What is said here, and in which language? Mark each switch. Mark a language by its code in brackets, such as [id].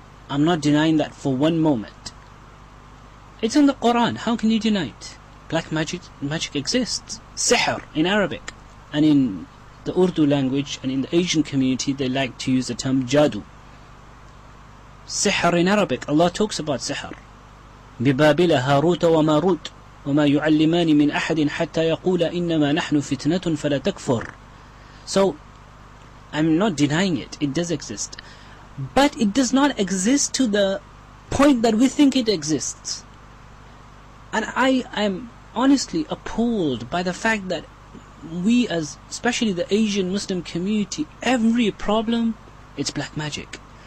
[en] I'm not denying that for one moment. It's in the Quran. How can you deny it? Black magic exists. Sihr in Arabic, and in the Urdu language and in the Asian community, they like to use the term jadu. Sihr in Arabic, Allah talks about sihr. [ar] ببابل هاروت وماروت وما يعلمان من أحد حتى يقول إنما نحن فتنة فلا تكفر. [en] So I'm not denying it. It does exist, but it does not exist to the point that we think it exists. And I am honestly appalled by the fact that we, as especially the Asian Muslim community, every problem, it's black magic.